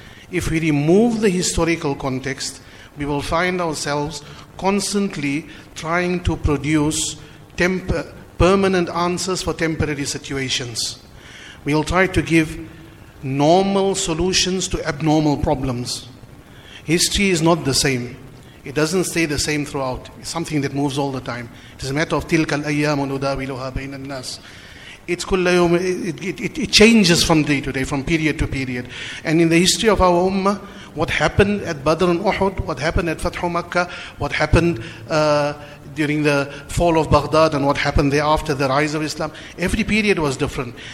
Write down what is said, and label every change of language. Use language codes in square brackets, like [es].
[en] If we remove the historical context, we will find ourselves constantly trying to produce permanent answers for temporary situations. We will try to give normal solutions to abnormal problems. History is not the same. It doesn't stay the same throughout. It's something that moves all the time. It's a matter of [ar] تِلْكَ الْأَيَّامُ نُدَاوِلُهَا بَيْنَ النَّاسِ. [en] It's [ar] كُلَّ يوم, [en] it changes from day to day, from period to period. And in the history of our Ummah, what happened at Badr and Uhud, what happened at Fathu Makkah, what happened during the fall of Baghdad and what happened thereafter, the rise of Islam, every period was different.